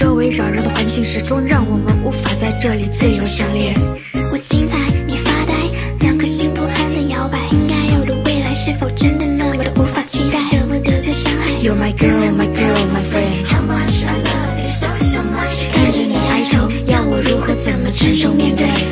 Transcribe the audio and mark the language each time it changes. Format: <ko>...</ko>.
<zh>扰扰的环境始终让我们无法在这里自由相恋。我精彩，你发呆，两颗心不安的摇摆。应该有的未来是否真的那么的无法期待？舍不得再伤害。</zh> <en>You're my girl, my girl, my friend. How much I love you so so much.</en> <zh>看着你哀愁，要我如何怎么承受面对？</zh>